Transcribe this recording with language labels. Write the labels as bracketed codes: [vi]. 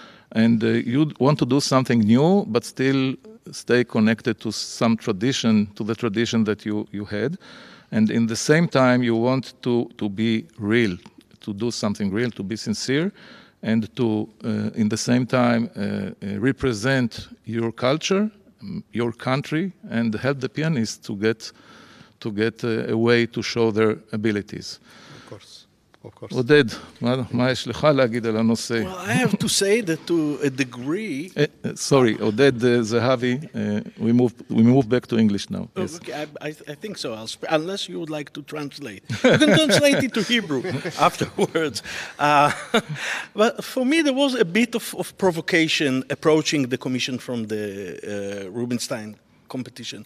[en] and you want to do something new but still stay connected to some tradition, to the tradition that you had, and in the same time you want to be real, to do something real, to be sincere, and to in the same time represent your culture, your country, and help the pianists to get a way to show their abilities. Of course. [he] Oded, מה יש לך להגיד על הנושא? [en] Well, I have to say that to a degree... sorry, Oded Zehavi, we move back to English now. Oh, yes. Okay, I think so, unless you would like to translate. You can translate it to Hebrew afterwards. But for me, there was a bit of provocation approaching the commission from the Rubinstein competition.